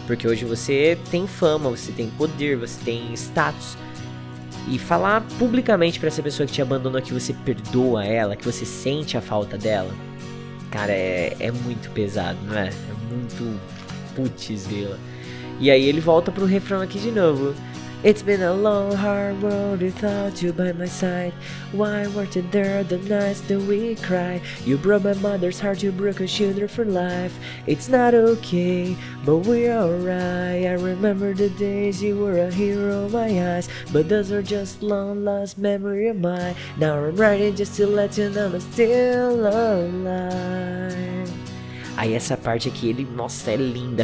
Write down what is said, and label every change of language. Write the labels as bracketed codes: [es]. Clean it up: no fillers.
[pt] Porque hoje você tem fama, você tem poder, você tem status. E falar publicamente pra essa pessoa que te abandonou que você perdoa ela, que você sente a falta dela. Cara, é muito pesado, não é? É muito putz, vila. E aí ele volta pro refrão aqui de novo. [en] It's been a long, hard road without you by my side. Why weren't you there the nights that we cry? You broke my mother's heart, you broke her shoulder for life. It's not okay, but we're alright. I remember the days you were a hero in my eyes, but those are just long lost memory of mine. Now I'm writing just to let you know I'm still alive. [pt] Aí essa parte aqui, ele, nossa, é linda.